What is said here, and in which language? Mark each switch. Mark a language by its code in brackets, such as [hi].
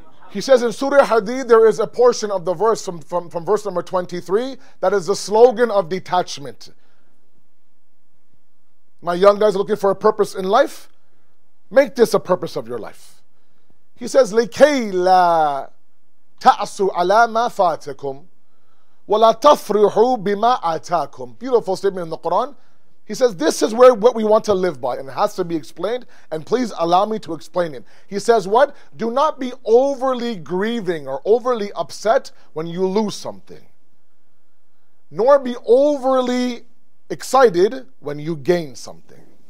[en] He says in Surah Hadid, there is a portion of the verse from verse number 23 that is the slogan of detachment. My young guys are looking for a purpose in life. Make this a purpose of your life. He says, [ar] لِكَيْ لَا تَعْسُوا عَلَى مَا فَاتَكُمْ وَلَا تَفْرِحُوا بِمَا أَتَاكُمْ. [en] Beautiful statement in the Quran. He says, this is where what we want to live by, and it has to be explained, and please allow me to explain it. He says what? Do not be overly grieving or overly upset when you lose something, nor be overly excited when you gain something.